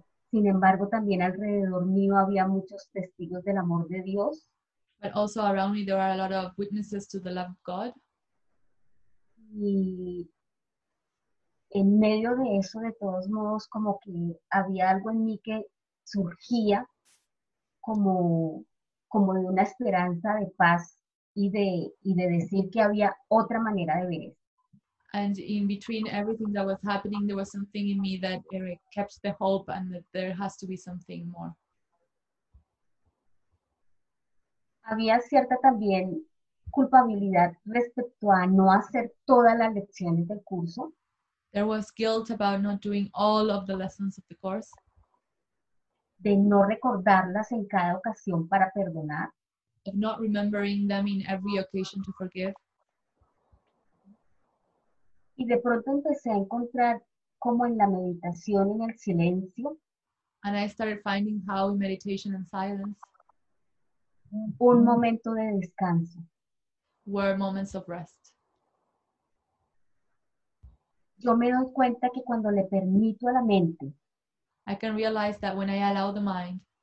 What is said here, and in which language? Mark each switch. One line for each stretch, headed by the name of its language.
Spanish: Sin embargo, también alrededor mío había muchos testigos del amor de Dios.
English: But also around me there are a lot of witnesses to the love of God.
Spanish: Y en medio de eso, de todos modos, como que había algo en mí que surgía como de una esperanza de paz y de decir que había otra manera de ver esto.
English: And in between everything that was happening, there was something in me that kept the hope and that there has to be something more.
Spanish: Había cierta también culpabilidad respecto a no hacer todas las lecciones del curso.
English: There was guilt about not doing all of the lessons of the course.
Spanish: De no recordarlas en cada ocasión para perdonar.
English: Of not remembering them in every occasion to forgive.
Spanish: Y de pronto empecé a encontrar como en la meditación, en el silencio.
English: And I started finding how in meditation and silence.
Spanish: Un momento de descanso.
English: Were moments of rest.
Spanish: Yo me doy cuenta que cuando le permito a la mente.
English: I can realize that when I allow the mind.